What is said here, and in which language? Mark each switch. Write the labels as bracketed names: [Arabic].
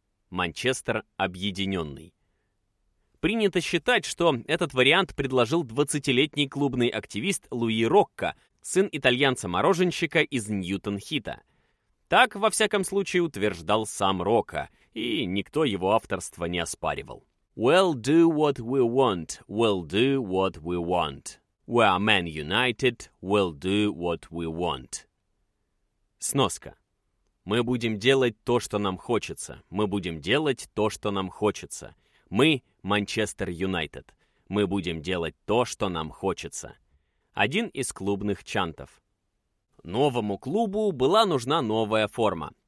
[Russian] Манчестер Объединенный. Принято считать, что этот вариант предложил 20-летний клубный активист Луи Рокко, сын итальянца-мороженщика из Ньютон-Хита. Так, во всяком случае, утверждал сам Рокко, и никто его авторство не оспаривал. [English] «We'll do what we want, we'll do what we want. We are Man United, we'll do what we want». [Russian] Сноска. «Мы будем делать то, что нам хочется. Мы будем делать то, что нам хочется. Мы – Манчестер Юнайтед. Мы будем делать то, что нам хочется». Один из клубных чантов. Новому клубу была нужна новая форма.